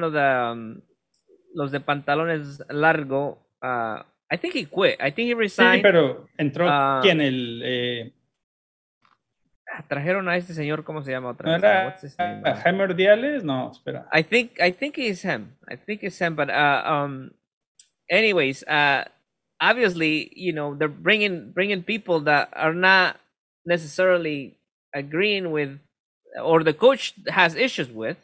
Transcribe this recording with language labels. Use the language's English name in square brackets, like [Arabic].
[English] I believe that one of [Spanish] los de pantalones largo, [English] I think he quit. I think he resigned. [Spanish] Sí, pero entró quien el trajeron a este señor, ¿cómo se llama otra vez? Jaime Ordiales? No, espera. [English] I think it's him, but anyways, obviously, you know, they're bringing people that are not necessarily agreeing with, or the coach has issues with.